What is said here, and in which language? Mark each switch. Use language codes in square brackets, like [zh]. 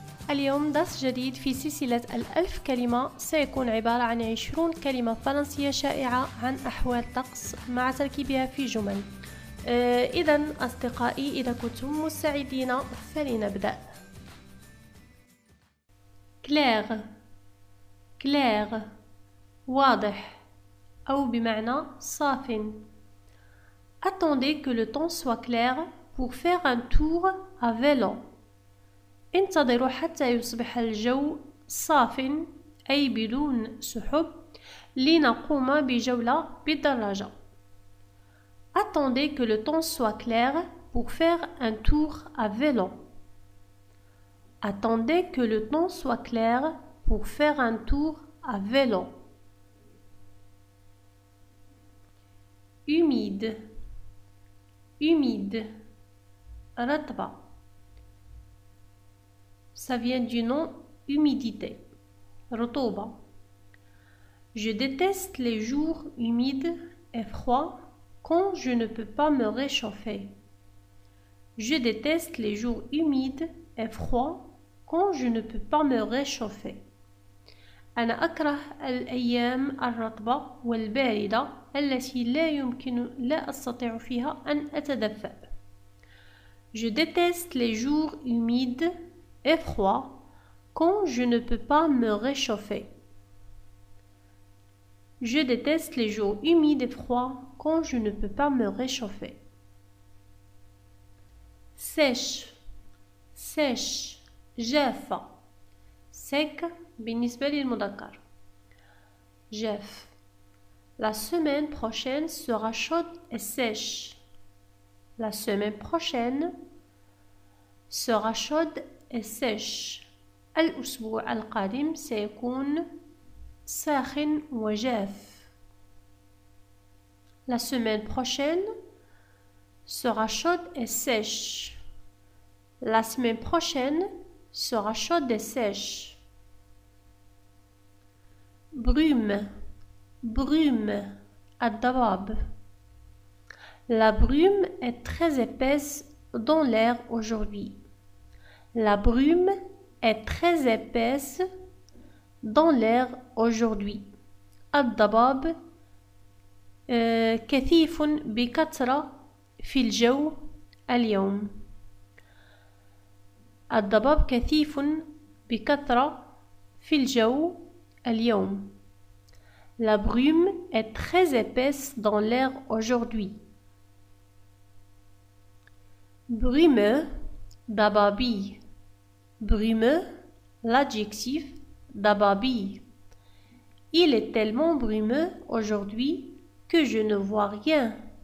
[ar] اليوم درس جديد في سلسلة الألف كلمة، سيكون عبارة عن 20 كلمة فرنسية شائعة عن أحوال طقس مع تركيبها في جمل. إذن أصدقائي، إذا كنتم مستعدين فلنبدأ. كلير، كلير، واضح أو بمعنى صاف. [fr] Attendez que le temps soit clair pour faire un tour à vélo. [ar] انتظروا حتى يصبح الجو صاف أي بدون سحب لنقوم بجولة بالدراجة. [fr] Attendez que le temps soit clair pour faire un tour à vélo. Attendez que le temps soit clair pour faire un tour à vélo. Humide. Humide. Ratba. Ça vient du nom humidité. Rotoba. Je déteste les jours humides et froids quand je ne peux pas me réchauffer. Je déteste les jours humides et froids quand je ne peux pas me réchauffer. [ar] أنا أكره الأيام الرطبة والباردة التي لا يمكن لا أستطيع فيها أن أتدفأ. [fr] Je déteste les jours humides et froids quand je ne peux pas me réchauffer. Je déteste les jours humides et froids quand je ne peux pas me réchauffer. Sèche, sèche, jaf, sec. [ar] بالنسبة للمذكر جاف. [fr] La semaine prochaine sera chaude et sèche. La semaine prochaine sera chaude et sèche. [ar] الأسبوع القادم سيكون ساخن وجاف. [fr] La semaine prochaine sera chaude et sèche. La semaine prochaine sera chaude et sèche. Brume, brume, الضباب. La brume est très épaisse dans l'air aujourd'hui. La brume est très épaisse dans l'air aujourd'hui. [ar] الضباب كثيف بكثرة في الجو اليوم. الضباب كثيف بكثرة في الجو اليوم. [fr] La brume est très épaisse dans l'air aujourd'hui. Brumeux, dababi. Brumeux, l'adjectif dababi. Il est tellement brumeux aujourd'hui que je ne vois rien.